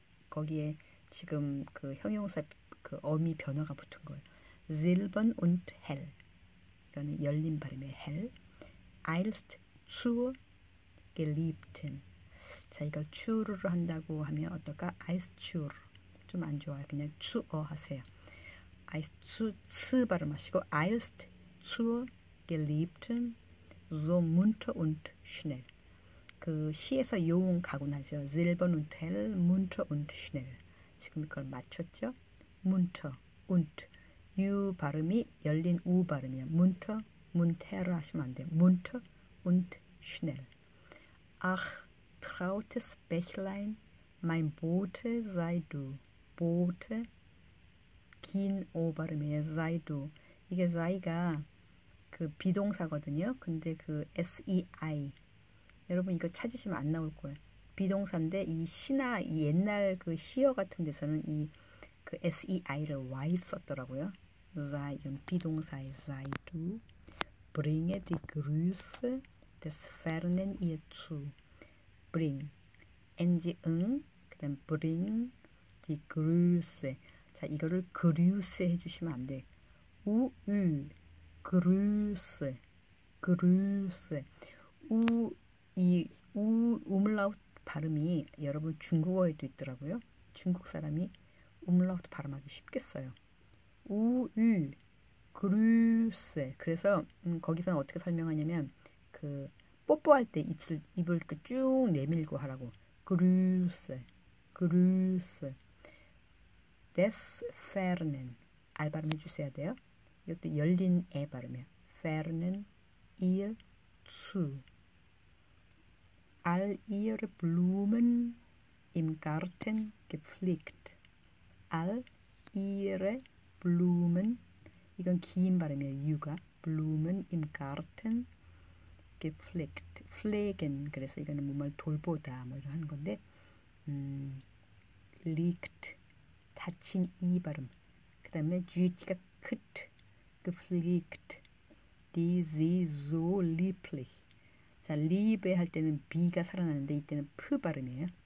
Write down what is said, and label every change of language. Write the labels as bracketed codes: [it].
[ko] 거기에 지금 그 형용사 그 어미 변화가 붙은 거예요. [de] Silben und hell. [ko] 이거는 열린 발음의 hell. [de] Einst zur geliebten. [ko] 자, 이걸 추르르 한다고 하면 어떨까? [de] Einst zur. [ko] 좀안 좋아요. 그냥 추어 하세요. [de] Einst zu [ko] 스 발음하시고 [de] Einst zur geliebten so munter und schnell. [ko] 그 시에서 요운 가군하죠. [de] Silben und hell, munter und schnell. [ko] 지금 이걸 맞췄죠? 문터, 운트. 유 발음이 열린 우 발음이야. 문터, 문테르 하시면 안 돼요. [de] 문터, 운트, 슈넬. Ach, trautes Bächlein, mein Bote sei du. [ko] Bote, 긴오 발음이에요. [de] sei du. [ko] 이게 sei가 그 비동사거든요. 근데 그 sei. 여러분 이거 찾으시면 안 나올 거예요. 비동사인데 이 시나 이 옛날 그 시어 같은 데서는 이그 SEI를 Y로 썼더라고요. 자, 이건 비동사의 sei du. [de] Bringe die Grüße des fernen ihr zu. Bring. NG, 응. [ko] 그다음 [de] bring die Grüße. [ko] 자, 이거를 그류스 해주시면 안 돼. 우, 유. 그류스. 그류스. 우, 이, 우, 우물라우트. 발음이 여러분 중국어에도 있더라고요. 중국 사람이 움라우트 발음하기 쉽겠어요. 우유 그르세. 그래서 거기서는 어떻게 설명하냐면 그 뽀뽀할 때 입술 입을 그쭉 내밀고 하라고. 그르세. 그르세. 데스 페르넨. 알 발음해 주셔야 돼요. 이것도 열린 에 발음이에요. 페르넨 이어 수. [de] All ihre Blumen im Garten gepflegt. All ihre Blumen, [ko] 이건 긴 발음이에요, 유가. [de] Blumen im Garten gepflegt. [ko] Pflegen, 그래서 이거는 뭐말 돌보다, 뭐 이런 건데, liegt, 닫힌 이 발음. 그 다음에 GT가 kt, gepflegt. [de] Die sie so lieblich. [ko] 자, 리베 할 때는 비가 살아나는데 이때는 프 발음이에요.